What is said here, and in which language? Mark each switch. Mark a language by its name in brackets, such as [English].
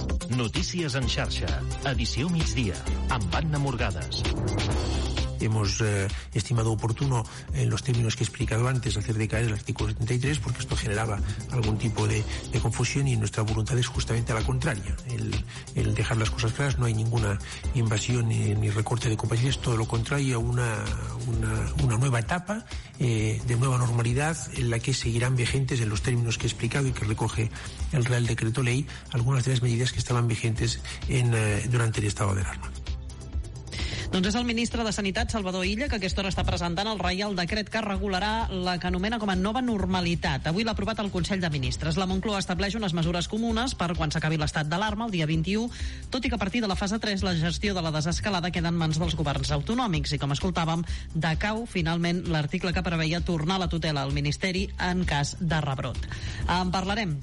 [Catalan] Notícies en xarxa, edició migdia, amb Anna Morgades. [Spanish] Hemos estimado oportuno en los términos que he explicado antes hacer decaer el artículo 73 porque esto generaba algún tipo de confusión y nuestra voluntad es justamente a la contraria, el dejar las cosas claras. No hay ninguna invasión ni recorte de compañías, todo lo contrario, una nueva etapa de nueva normalidad en la que seguirán vigentes en los términos que he explicado y que recoge el Real Decreto Ley algunas de las medidas que estaban vigentes durante el estado de alarma. [Catalan] Doncs és el ministre de Sanitat, Salvador Illa, que aquesta hora està presentant el Reial Decret que regularà la que anomena com a nova normalitat. Avui l'ha aprovat el Consell de Ministres. La Moncloa estableix unes mesures comunes per quan s'acabi l'estat d'alarma el dia 21, tot i que a partir de la fase 3 la gestió de la desescalada queda en mans dels governs autonòmics i, com escoltàvem, decau finalment l'article que preveia tornar la tutela al Ministeri en cas de rebrot. En parlarem.